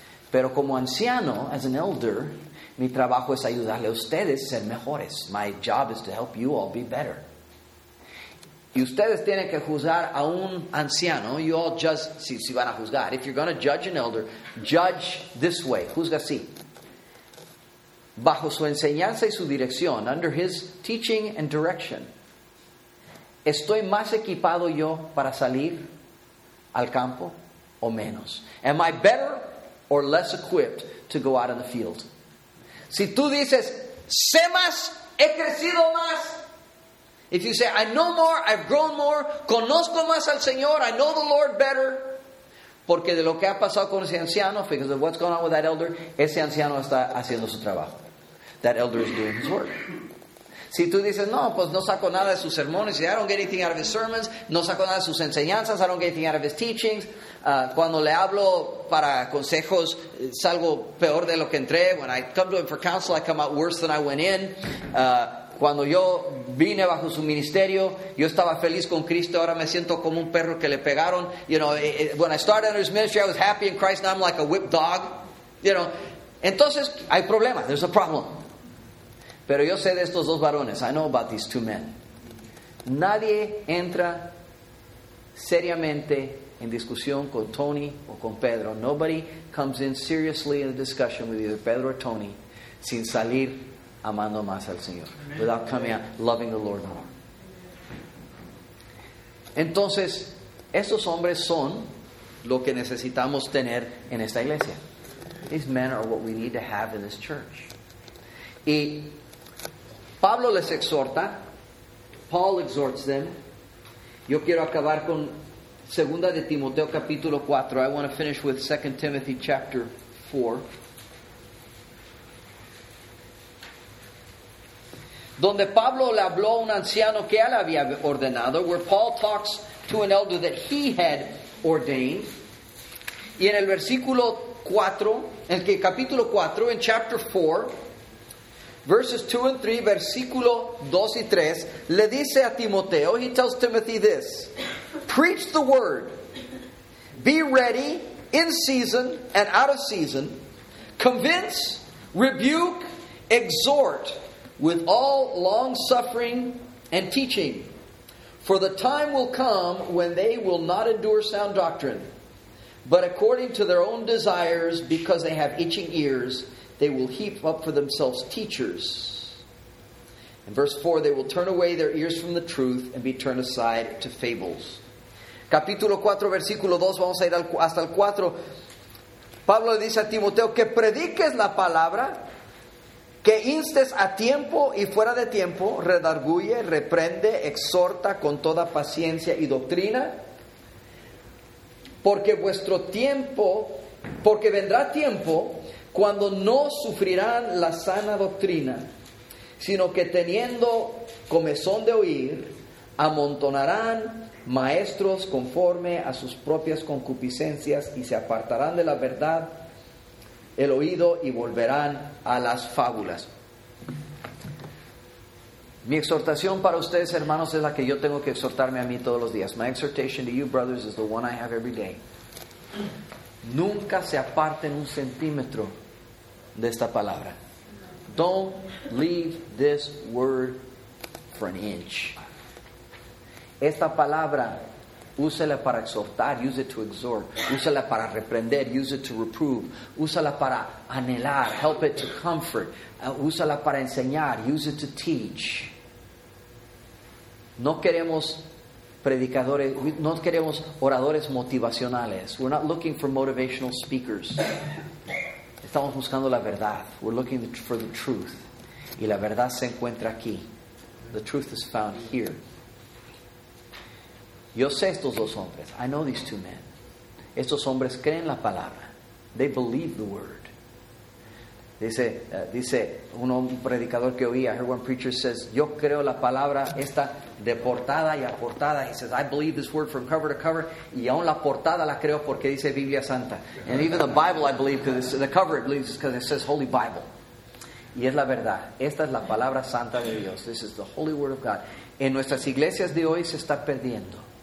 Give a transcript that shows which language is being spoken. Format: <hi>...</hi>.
<es>Pero como anciano,</es> <en>as an elder,</en> <es>mi trabajo es ayudarle a ustedes a ser mejores.</es> <en>My job is to help you all be better.</en> <es>Y ustedes tienen que juzgar a un anciano.</es> <en>You all just,</en> <es>si van a juzgar.</es> <en>If you're going to judge an elder, judge this way.</en> <es>Juzga así. Bajo su enseñanza y su dirección,</es> <en>under his teaching and direction,</en> <es>¿estoy más equipado yo para salir al campo o menos?</es> <en>Am I better or less equipped to go out in the field?</en> <es>Si tú dices, sé más, he crecido más.</es> <en>If you say, I know more, I've grown more,</en> <es>conozco más al Señor,</es> <en>I know the Lord better.</en> <es>Porque de lo que ha pasado con ese anciano,</es> <en>because of what's going on with that elder,</en> <es>ese anciano está haciendo su trabajo.</es> <en>That elder is doing his work.</en> <es>Si tú dices, no, pues no saco nada de sus sermones,</es> <en>I don't get anything out of his sermons,</en> <es>no saco nada de sus enseñanzas,</es> <en>I don't get anything out of his teachings.</en> <es>Cuando le hablo para consejos, salgo peor de lo que entré.</es> <en>When I come to him for counsel, I come out worse than I went in.</en> <es>Cuando yo vine bajo su ministerio, yo estaba feliz con Cristo, ahora me siento como un perro que le pegaron.</es> <en>You know, when I started under his ministry, I was happy in Christ, now I'm like a whipped dog. You know,</en> <es>entonces, hay problema,</es> <en>there's a problem.</en> <es>Pero yo sé de estos dos varones,</es> <en>I know about these two men.</en> <es>Nadie entra seriamente en discusión con Tony o con Pedro.</es> <en>Nobody comes in seriously in a discussion with either Pedro or Tony</en> <es>sin salir amando más al Señor.</es> <en>Amen. Without coming out loving the Lord more.</en> <es>Entonces, estos hombres son lo que necesitamos tener en esta iglesia.</es> <en>These men are what we need to have in this church.</en> <es>Y Pablo les exhorta,</es> <en>Paul exhorts them.</en> <es>Yo quiero acabar con Segunda de Timoteo capítulo 4.</es> <en>I want to finish with 2 Timothy chapter 4.</en> <es>Donde Pablo le habló a un anciano que él había ordenado.</es> <en>Where Paul talks to an elder that he had ordained.</en> <es>Y en el versículo 4, en</es> <en>el capítulo 4, en chapter 4, verses 2 and 3,</en> <es>versículo 2 y 3, le dice a Timoteo,</es> <en>he tells Timothy this: preach the word, be ready in season and out of season, convince, rebuke, exhort with all long suffering and teaching. For the time will come when they will not endure sound doctrine, but according to their own desires, because they have itching ears, they will heap up for themselves teachers. In verse 4, they will turn away their ears from the truth and be turned aside to fables.</en> <es>Capítulo 4, versículo 2, vamos a ir hasta el 4. Pablo le dice a Timoteo, que prediques la palabra, que instes a tiempo y fuera de tiempo, redarguye, reprende, exhorta con toda paciencia y doctrina, porque vuestro tiempo, porque vendrá tiempo cuando no sufrirán la sana doctrina, sino que teniendo comezón de oír, amontonarán maestros conforme a sus propias concupiscencias y se apartarán de la verdad el oído y volverán a las fábulas. Mi exhortación para ustedes, hermanos, es la que yo tengo que exhortarme a mí todos los días.</es> <en>My exhortation to you, brothers, is the one I have every day.</en> <es>Nunca se aparten un centímetro de esta palabra.</es> <en>Don't leave this word for an inch.</en> <es>Esta palabra, úsela para exhortar,</es> <en>use it to exhort.</en> <es>Úsela para reprender,</es> <en>use it to reprove.</en> <es>Úsela para anhelar,</es> <en>help it to comfort.</en> <es>Úsela para enseñar,</es> <en>use it to teach.</en> <es>No queremos predicadores, no queremos oradores motivacionales.</es> <en>We're not looking for motivational speakers.</en> <es>Estamos buscando la verdad.</es> <en>We're looking for the truth.</en> <es>Y la verdad se encuentra aquí.</es> <en>The truth is found here.</en> <es>Yo sé estos dos hombres.</es> <en>I know these two men.</en> <es>Estos hombres creen la palabra.</es> <en>They believe the word.</en> <es>Dice un predicador que oí,</es> <en>I heard one preacher says,</en> <es>yo creo la palabra esta de portada y aportada.</es> <en>He says, I believe this word from cover to cover,</en> <es>y aún la portada la creo porque dice Biblia Santa.</es> <en>And even the Bible I believe, because the cover it believes because it says Holy Bible.</en> <es>Y es la verdad. Esta es la palabra santa de Dios.</es> <en>This is the Holy Word of God.</en> <es>En nuestras iglesias de hoy se está perdiendo.</es>